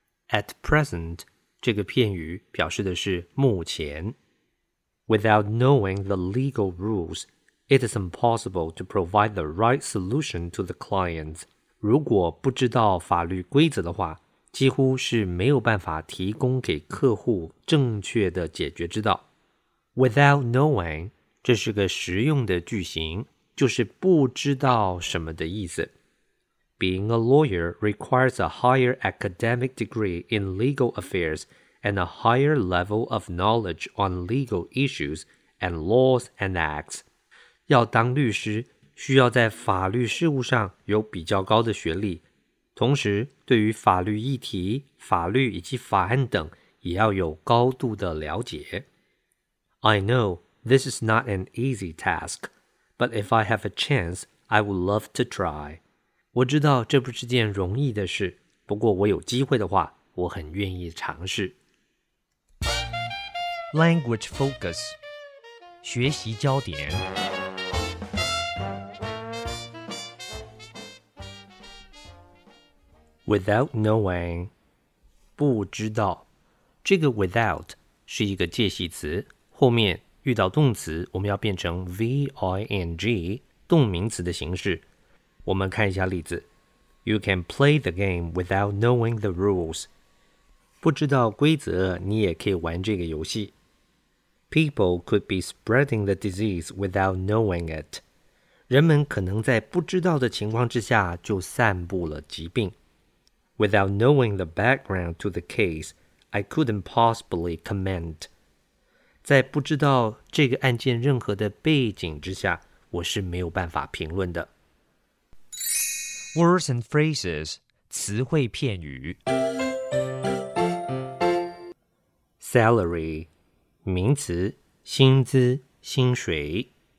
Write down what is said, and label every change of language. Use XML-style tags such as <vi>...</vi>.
<en>At present,</en> <zh>这个片语表示的是目前。</zh> <en>Without knowing the legal rules, it is impossible to provide the right solution to the clients.</en> <zh>如果不知道法律规则的话，几乎是没有办法提供给客户正确的解决之道。</zh> <en>Without knowing,</en> <zh>这是个实用的句型，就是不知道什么的意思。</zh> <en>Being a lawyer requires a higher academic degree in legal affairs and a higher level of knowledge on legal issues and laws and acts.</en> <zh>要当律师，需要在法律事务上有比较高的学历，同时对于法律议题、法律以及法案等也要有高度的了解。</zh> <en>I know this is not an easy task, but if I have a chance, I would love to try.</en> <zh>我知道这不是件容易的事，不过我有机会的话，我很愿意尝试。</zh> <en>Language focus，</en> <zh>学习焦点。</zh> <en>Without knowing，</en> <zh>不知道。这个 without 是一个介系词，后面遇到动词，我们要变成 ving 动名词的形式。我们看一下例子。</zh> <en>You can play the game without knowing the rules.</en> <zh>不知道规则，你也可以玩这个游戏。</zh> <en>People could be spreading the disease without knowing it.</en> <zh>人们可能在不知道的情况之下就散布了疾病。</zh> <en>Without knowing the background to the case, I couldn't possibly comment.</en> <zh>在不知道这个案件任何的背景之下，我是没有办法评论的。</zh> <en>Words and phrases,</en> <zh>词汇片语。 Salary, 名词，薪资、薪水。</zh>